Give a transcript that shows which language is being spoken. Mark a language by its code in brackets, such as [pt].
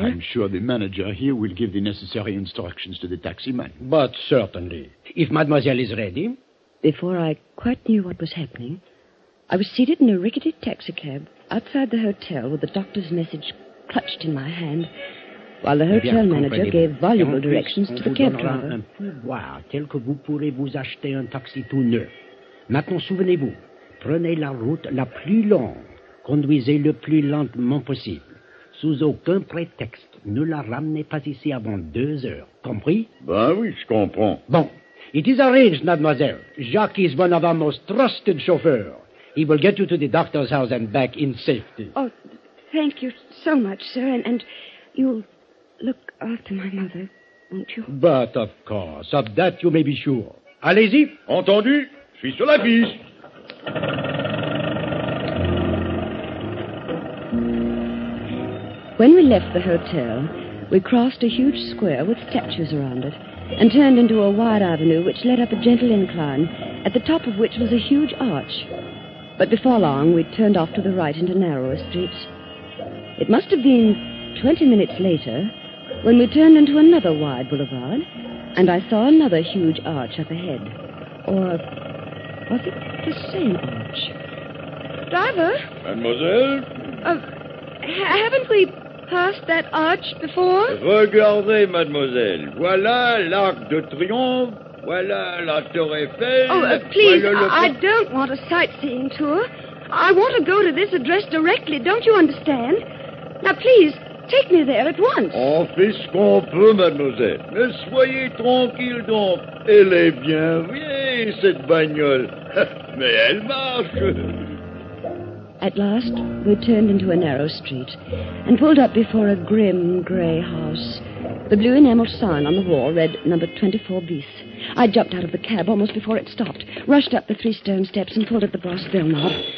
[en] I'm sure the manager here will give the necessary instructions to the taxi man. But certainly, if mademoiselle is ready. Before I quite knew what was happening, I was seated in a rickety taxicab outside the hotel with the doctor's message clutched in my hand, while the hotel manager gave voluble directions to the cab driver. [fr] Un peu boire, tel que vous pourrez vous acheter un taxi tout neuf. Maintenant, souvenez-vous, prenez la route la plus longue, conduisez le plus lentement possible. sous aucun prétexte, ne la ramenez pas ici avant 2 heures, compris? Ben oui, je comprends. [en] Bon, it is arranged, mademoiselle. Jacques is one of our most trusted chauffeurs. He will get you to the doctor's house and back in safety. Oh, thank you so much, sir, and you'll look after my mother, won't you? But of course, of that you may be sure. [fr] Allez-y. Entendu, je suis sur la piste. [en] When we left the hotel, we crossed a huge square with statues around it and turned into a wide avenue which led up a gentle incline, at the top of which was a huge arch. But before long, we turned off to the right into narrower streets. It must have been 20 minutes later when we turned into another wide boulevard and I saw another huge arch up ahead. Or was it the same arch? Driver! Mademoiselle! Haven't we passed that arch before? [fr] Regardez, mademoiselle. Voilà l'Arc de Triomphe. Voilà la Tour Eiffel. [en] Oh, please, voilà I don't want a sightseeing tour. I want to go to this address directly, don't you understand? Now, please, take me there at once. [fr] On fait ce qu'on peut, mademoiselle. Mais soyez tranquille donc. Elle est bien vieille, cette bagnole. Mais elle marche. [en] At last, we turned into a narrow street and pulled up before a grim, grey house. The blue enamel sign on the wall read number 24 bis. I jumped out of the cab almost before it stopped, rushed up the 3 stone steps and pulled at the brass bell knob.